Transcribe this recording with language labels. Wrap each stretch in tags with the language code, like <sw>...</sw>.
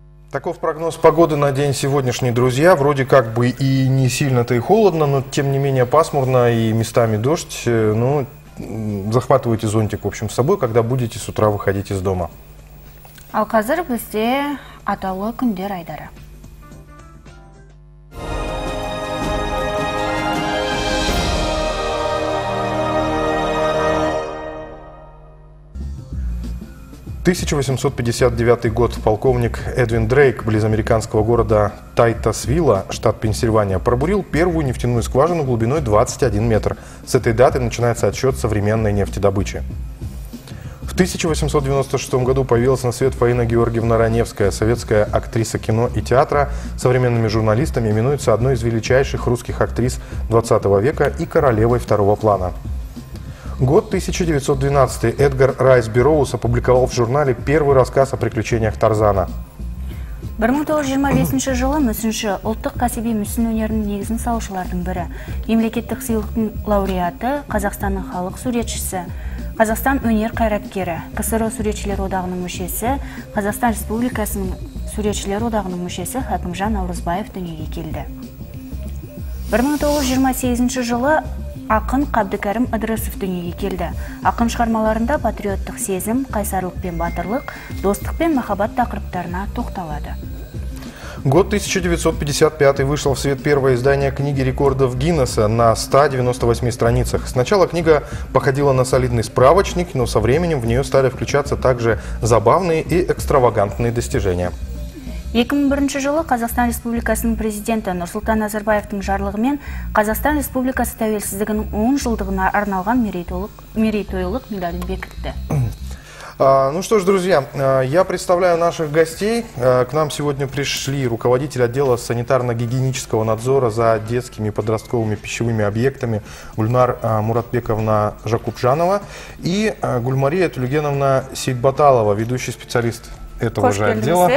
<ru>Таков прогноз погоды на день сегодняшний, друзья. Вроде как бы и не сильно-то и холодно, но тем не менее пасмурно и местами дождь. Ну, захватывайте зонтик, в общем, с собой, когда будете с утра выходить из дома.</ru> <kk>Ал қазір бізде атаулы күндер айдары.</kk> <ru>В 1859 год полковник Эдвин Дрейк близ американского города Тайтасвилла, штат Пенсильвания, пробурил первую нефтяную скважину глубиной 21 метр. С этой даты начинается отсчет современной нефтедобычи. В 1896 году появилась на свет Фаина Георгиевна Раневская, советская актриса кино и театра, современными журналистами именуется одной из величайших русских актрис 20 века и королевой второго плана. Год 1912. Эдгар Райс Бероуз опубликовал в журнале первый рассказ о приключениях Тарзана.</ru> <kk>1925 жылы мүсінші ұлттық кәсіби мүсін өнерінің негізін салушылардың бірі. Мемлекеттік сыйлықтың лауреаты, Қазақстанның халық суретшісі, Қазақстан өнер қайраткері, КСРО суретшілер одағының мүшесі, Қазақстан Республикасының суретшілер одағының мүшесі Хакымжан Наурызбаев дүниеге келді. 1928 жылы ақын Қабдікәрім Ыдырысов дүниеге келді. Ақын шығармаларында патриоттық сезім, қайсарлық пен батырлық, достық пен махаббат тақырыптарына тоқталады.</kk> <ru>Год 1955 вышел в свет первое издание книги рекордов Гиннесса на 198 страницах. Сначала книга походила на солидный справочник, но со временем в нее стали включаться также забавные и экстравагантные достижения.</ru> <kk>2001 жылы Қазақстан Республикасының президенті Нұрсұлтан Назарбаевтың жарлығымен Қазақстан Республикасы тәуелсіздігінің 10 жылдығына арналған мерейтойлық медалін бекітті.</kk> <ru>Ну что ж, друзья, я представляю наших гостей. К нам сегодня пришли руководитель отдела санитарно-гигиенического надзора за детскими и подростковыми пищевыми объектами Гульнар Муратбековна Жакупжанова и Гульмария Тулегеновна Сейтбаталова, ведущий специалист этого же отдела.</ru>